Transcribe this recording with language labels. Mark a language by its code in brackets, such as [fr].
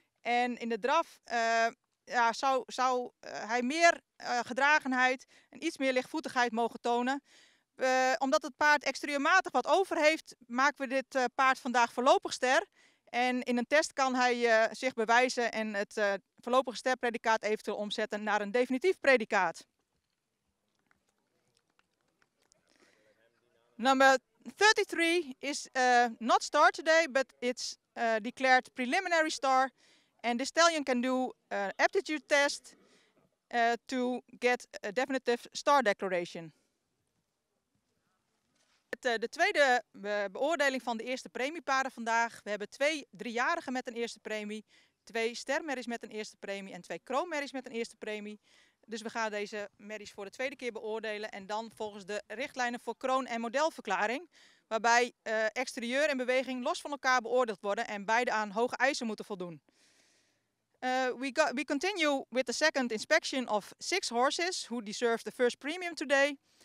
[nl] En in de draf... Zou hij meer gedragenheid en iets meer lichtvoetigheid mogen tonen. Omdat het paard exterieurmatig wat over heeft, maken we dit paard vandaag voorlopig ster. En in een test kan hij zich bewijzen en het voorlopige sterpredicaat eventueel omzetten naar een definitief predicaat. [en] Nummer 33 is not star today, but it's declared preliminary star. And the stallion can do an aptitude test to get a definitive star declaration. [nl] De tweede beoordeling van de eerste premieparen vandaag. We hebben 2 driejarigen met een eerste premie, 2 stermerries met een eerste premie en 2 kroonmerries met een eerste premie. Dus we gaan deze merries voor de tweede keer beoordelen en dan volgens de richtlijnen voor kroon- en modelverklaring. Waarbij exterieur en beweging los van elkaar beoordeeld worden en beide aan hoge eisen moeten voldoen. [en] We continue with the second inspection of 6 horses who deserve the first premium today.